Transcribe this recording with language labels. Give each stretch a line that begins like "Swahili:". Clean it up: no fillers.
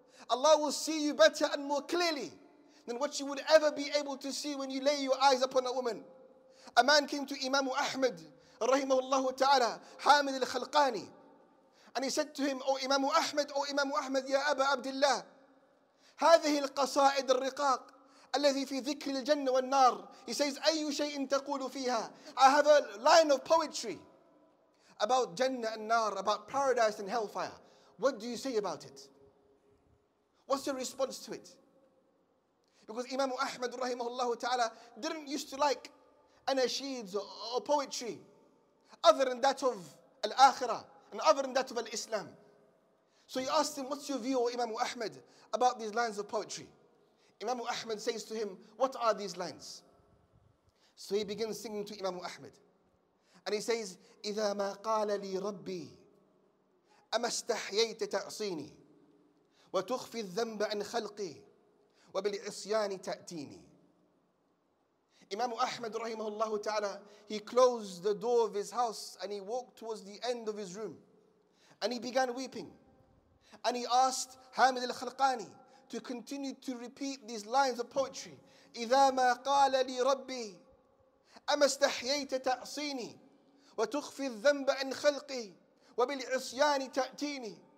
English: Allah will see you better and more clearly than what you would ever be able to see when you lay your eyes upon a woman. A man came to Imam Ahmad, rahimahullah ta'ala, Hamid al-Khalqani, and he said to him, O Imam Ahmad, ya Aba Abdullah,
Arabic: هذه القصائد الرقاق الذي في ذكر الجنة والنار.
English: He says,
Arabic: أي شيء تقول فيها.
English: I have a line of poetry about Jannah and Nar, about paradise and hellfire. What do you say about it? What's your response to it? Because Imam Ahmad rahimahullah ta'ala didn't used to like anasheeds or poetry other than that of Al-Akhirah and other than that of Al-Islam. So he asked him, what's your view, O Imam Ahmed, about these lines of poetry? Imam Ahmed says to him, what are these lines? So he begins singing to Imam Ahmed. And he says,
Arabic: إِذَا مَا قَالَ لِي رَبِّي أَمَسْتَحْيَيْتَ تَعْصِينِي وَتُخْفِي الذَّنْبَ عَنْ خَلْقِي وَبِالْعِصْيَانِ تَأْتِينِي.
English: Imam Ahmed rahimahullah ta'ala, he closed the door of his house and he walked towards the end of his room. And he began weeping. And he asked Hamid al-Khalqani to continue to repeat these lines of poetry.
Arabic: إِذَا مَا قَالَ لِي رَبِّي أَمَسْتَحْيَيْتَ تَعْصِينِي وَتُخْفِي الذَّنْبَ عَنْ خَلْقِي وَبِالْعِصْيَانِ تَأْتِينِي.